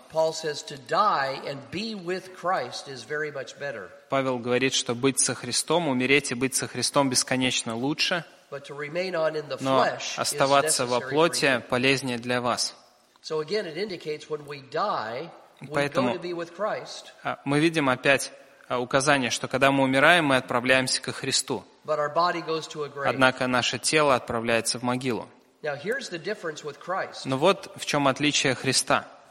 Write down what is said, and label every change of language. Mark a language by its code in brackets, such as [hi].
[en] Paul says to die and be with Christ is very much better. [ru] Павел говорит, что быть со Христом, умереть и быть со Христом бесконечно лучше. [en] But to remain on in the flesh [ru] Но оставаться во плоти полезнее для вас. [en] So again, it indicates when we die, we go to be with Christ. [ru] Мы видим опять указание, что когда мы умираем, мы отправляемся ко Христу. [en] But our body goes to a grave. [ru] Однако наше тело отправляется в могилу. [en] Now here's the difference with Christ. [ru] Но вот в чем отличие Христа.